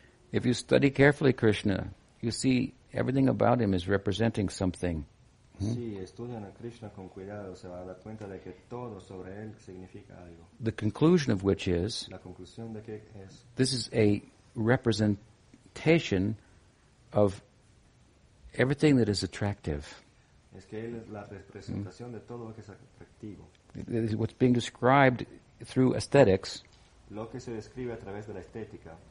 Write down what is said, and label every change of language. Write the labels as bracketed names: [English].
[English] If you study carefully Krishna, you see everything about him is representing something. [Spanish] Si estudian a Krishna con cuidado, se va a dar cuenta de que todo sobre él significa algo. [English] The conclusion of which is, [Spanish] la conclusión de que es, [English] this is a representation of everything that is attractive. [Spanish] Es que él es la representación de todo lo que es atractivo. [English] What's being described through aesthetics, [Spanish] lo que se describe a través de la estética,